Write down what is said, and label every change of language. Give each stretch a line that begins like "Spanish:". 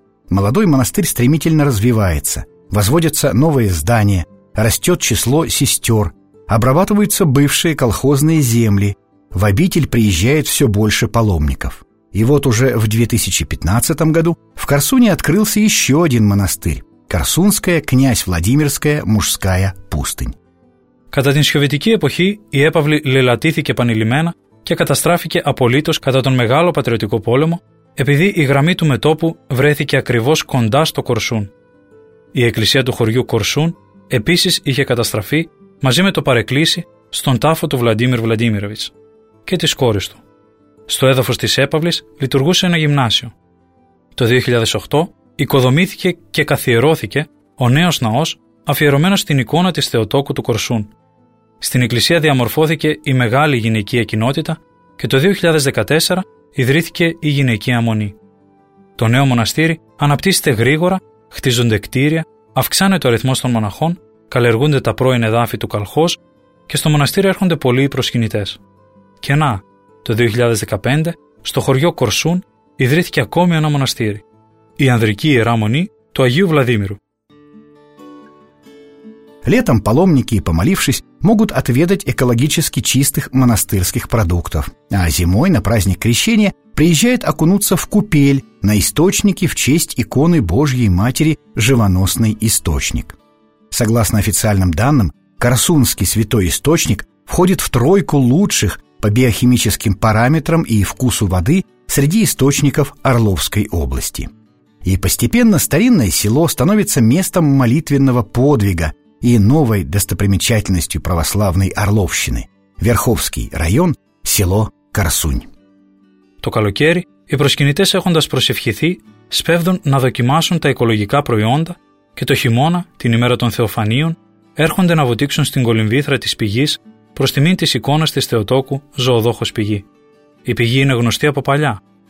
Russian: Молодой монастырь стремительно развивается, возводятся новые здания, растет число сестер, обрабатываются бывшие колхозные земли, в обитель приезжает все больше паломников. И вот уже в 2015 году в Корсуне открылся еще один монастырь – Корсунская князь Владимирская мужская пустынь.
Greek: Κατά την Σοβιετική εποχή, η έπαυλη λελατήθηκε επανειλημμένα και καταστράφηκε απολύτως κατά τον Μεγάλο Πατριωτικό Πόλεμο, επειδή η γραμμή του μετόπου βρέθηκε ακριβώς κοντά στο Κορσούν. Η εκκλησία του χωριού Κορσούν επίσης είχε καταστραφεί μαζί με το παρεκκλήσι στον τάφο του Βλαντίμιρ Βλαντίμιροβιτς και της κόρης του. Στο έδαφος της έπαυλης λειτουργούσε ένα γυμνάσιο. Το 2008 οικοδομήθηκε και καθιερώθηκε ο νέος ναός αφιερωμένος στην εικόνα της Θεοτόκου του Κορσούν. Στην εκκλησία διαμορφώθηκε η μεγάλη γυναικεία κοινότητα και το 2014 ιδρύθηκε η γυναικεία μονή. Το νέο μοναστήρι αναπτύσσεται γρήγορα, χτίζονται κτίρια, αυξάνεται ο αριθμός των μοναχών, καλλιεργούνται τα πρώην εδάφη του Καλχός και στο μοναστήρι έρχονται πολλοί προσκυνητές. Και να, το 2015, στο χωριό Κορσούν ιδρύθηκε ακόμη ένα μοναστήρι, η Ανδρική Ιερά Μονή του Αγίου Βλαδίμηρου.
Russian: Летом паломники, помолившись, могут отведать экологически чистых монастырских продуктов, а зимой на праздник Крещения приезжают окунуться в купель на источники в честь иконы Божьей Матери «Живоносный источник». Согласно официальным данным, Корсунский святой источник входит в тройку лучших по биохимическим параметрам и вкусу воды среди источников Орловской области. И постепенно старинное село становится местом молитвенного подвига и новой достопримечательностью православной Орловщины – Верховский район, село Корсунь.
Greek: Το καλοκαίρι, οι προσκυνητές, έχοντας προσευχηθεί, σπέβδουν να δοκιμάσουν τα οικολογικά προϊόντα και το χειμώνα, την ημέρα των Θεοφανίων, έρχονται να βουτήξουν στην κολυμβήθρα της πηγής προς τιμήν της εικόνας της Θεοτόκου, ζωοδόχος πηγή. Η πηγή είναι γνωστή από παλιά.